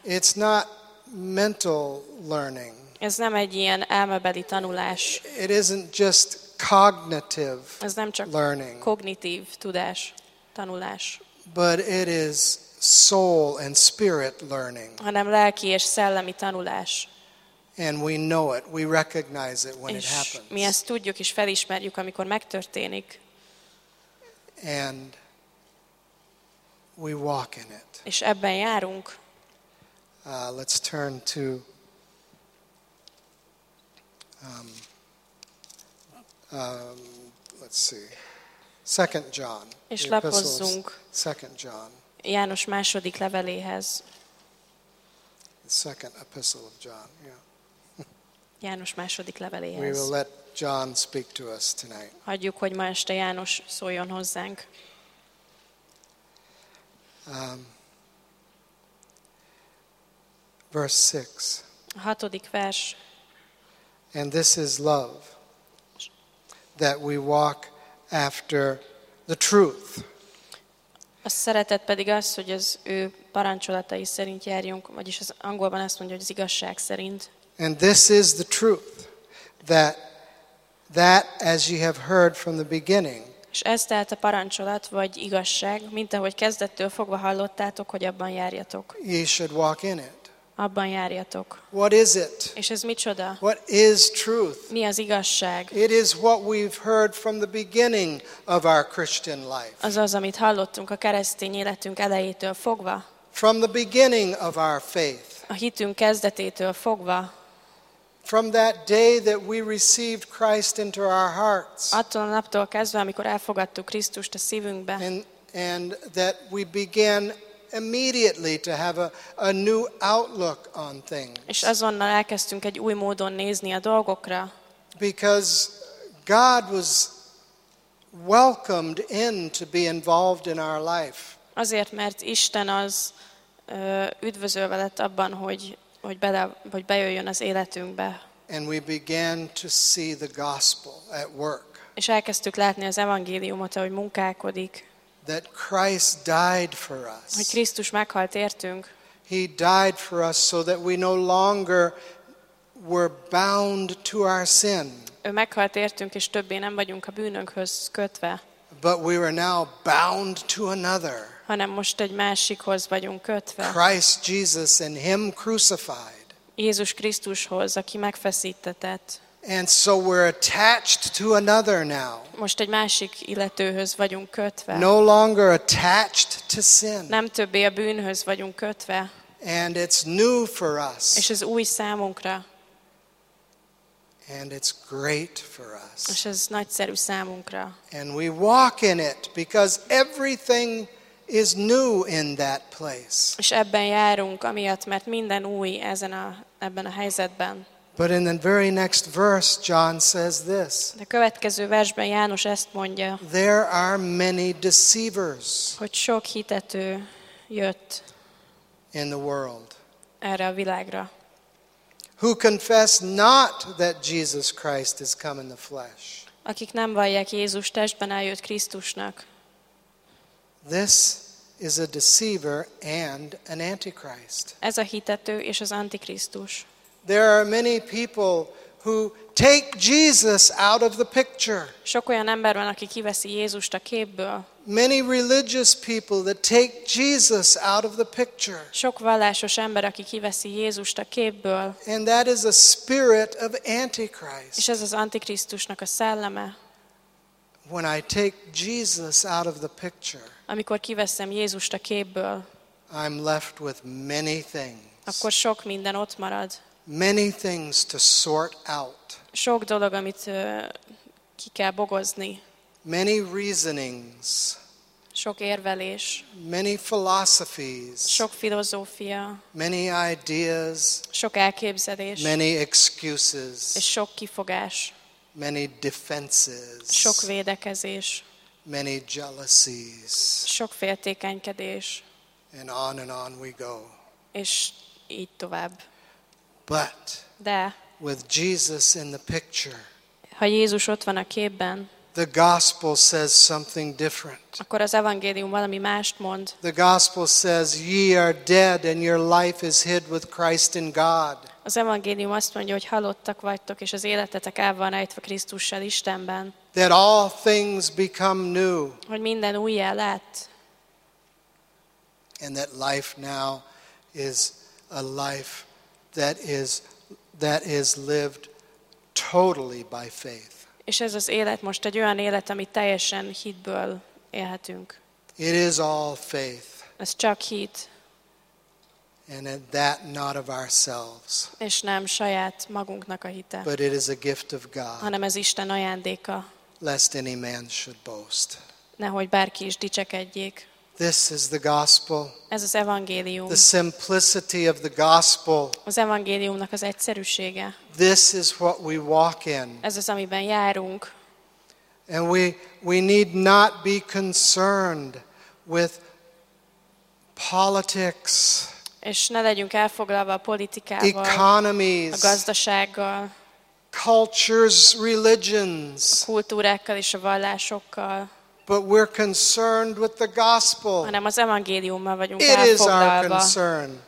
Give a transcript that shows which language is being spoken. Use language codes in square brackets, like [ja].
[en] It's not mental learning. [hu] Ez nem egy ilyen elmebeli tanulás. [en] It isn't just cognitive. [hu] Ez nem csak [en] learning. [hu] Kognitív tudás, tanulás. [en] But it is soul and spirit learning. [hu] Hanem lelki és szellemi tanulás. [en] And we know it, we recognize it when it happens. [hu] Mi ezt tudjuk és felismerjük, amikor megtörténik. [en] And we walk in it. [hu] És ebben járunk. [en] Let's turn to let's see. Second John. [hu] És lapozzunk. [en] Second John. [hu] János második leveléhez. [en] The second epistle of John. Yeah. [hu] János második leveléhez. [en] We will let John speak to us tonight. [hu] Hagyjuk, hogy ma este János szóljon hozzánk. [en] Verse 6. [hu] Hatodik vers. [en] And this is love, that we walk after the truth. [hu] A szeretet pedig az, hogy az ő parancsolatai szerint járjunk, vagyis az angolban azt mondja, hogy az igazság szerint. [en] And this is the truth, that as you have heard from the beginning. [hu] És ez tehát a parancsolat, vagy igazság, mint ahogy kezdettől fogva hallottátok, hogy abban járjatok. [en] You should walk in it. [hu] Abban járjatok. [en] What is it? [hu] És ez micsoda? [en] What is truth? [hu] Mi az igazság? [en] It is what we've heard from the beginning of our Christian life. [hu] Azaz, amit hallottunk a keresztény életünk elejétől fogva. [en] From the beginning of our faith. [hu] A hitünk kezdetétől fogva. [en] From that day that we received Christ into our hearts. [hu] Attól a naptól kezdve, amikor elfogadtuk Krisztust a szívünkbe. [en] And that we began immediately to have a new outlook on things. [hu] És azonnal elkezdtünk egy új módon nézni a dolgokra. [en] Because God was welcomed in to be involved in our life. [hu] Azért, mert Isten az üdvözölve lett abban, hogy bejöjjön az életünkbe. [en] And we began to see the gospel at work. [hu] És elkezdtük látni az evangéliumot, ahogy munkálkodik. [en] That Christ died for us. [hu] Hogy Krisztus meghalt értünk. [en] He died for us so that we no longer were bound to our sin. [hu] Ő meghalt értünk, és többé nem vagyunk a bűnünkhöz kötve. [en] But we were now bound to another. [hu] Hanem most egy másikhoz vagyunk kötve. [en] Christ Jesus and him crucified. [hu] Jézus Krisztushoz, aki megfeszítetett. [en] And so we're attached to another now. [hu] Most egy másik illetőhöz vagyunk kötve. [en] No longer attached to sin. [hu] Nem többé a bűnhöz vagyunk kötve. [en] And it's new for us. [hu] És ez új számunkra. [en] And it's great for us. [hu] És ez nagyszerű számunkra. [en] And we walk in it because everything is new in that place. [hu] És ebben járunk, amiatt, mert minden új ezen a, ebben a helyzetben. [en] But in the very next verse, John says this. [hu] De következő versben János ezt mondja. [en] There are many deceivers. [hu] Hogy sok hitető jött. [en] In the world. [hu] Erre a világra. [en] Who confess not that Jesus Christ is come in the flesh. [hu] Akik nem vallják Jézus testben eljött Krisztusnak. [en] This is a deceiver and an antichrist. [hu] Ez a hitető és az antikrisztus. [en] There are many people who take Jesus out of the picture. [hu] Sok olyan ember van, aki kiveszi Jézust a képből. [en] Many religious people that take Jesus out of the picture. [hu] Sok vallásos ember, aki kiveszi Jézust a képből. [en] And that is a spirit of antichrist. [hu] És ez az antikrisztusnak a szelleme. [en] When I take Jesus out of the picture. [hu] Amikor kiveszem Jézust a képből. [en] I'm left with many things. [hu] Akkor sok minden ott marad. [en] Many things to sort out. [hu] Sok dolog, amit ki kell bogozni. [en] Many reasonings. [hu] Sok érvelés. [en] Many philosophies. [hu] Sok filozófia. [en] Many ideas. [hu] Sok elképzelés. [en] Many excuses. [hu] És sok kifogás. [en] Many defenses. [hu] Sok védekezés. [en] Many jealousies. [hu] Sok féltékenykedés. [en] And on we go. [hu] És így tovább. [en] But [hu] de, [en] with Jesus in the picture, [hu] ha Jézus ott van a képben, [en] the gospel says something different. [hu] Akkor az evangélium valami mást mond. [en] The gospel says, "Ye are dead, and your life is hid with Christ in God." [hu] Az evangélium azt mondja, hogy halottak vagytok, és az életetek el van rejtve Krisztussal Istenben. [en] That all things become new. [hu] Hogy minden újjá lett. [en] And that life now is a life that is lived totally by faith. [hu] És ez az élet most egy olyan élet, amit teljesen hitből élhetünk. [en] It is all faith. [hu] Ez csak hit. [en] And that not of ourselves. [hu] És nem saját magunknak a hite. [en] But it is a gift of God. [hu] Hanem ez Isten ajándéka. [en] Lest any man should boast. [hu] Nehogy bárki is dicsekedjék. [en] This is the gospel. [hu] Ez az evangélium. [en] The simplicity of the gospel. [hu] Az evangéliumnak az egyszerűsége. [en] This is what we walk in. [hu] Ez az, amiben járunk. [en] And we need not be concerned with politics. [hu] És ne legyünk elfoglalva a politikával. [en] Economies. [hu] A gazdasággal. [en] Cultures, religions. [hu] A kultúrákkal és a vallásokkal. [en] But we're concerned with the gospel. [hu] Hanem az evangéliummal vagyunk elfoglalva. [en] It is our concern.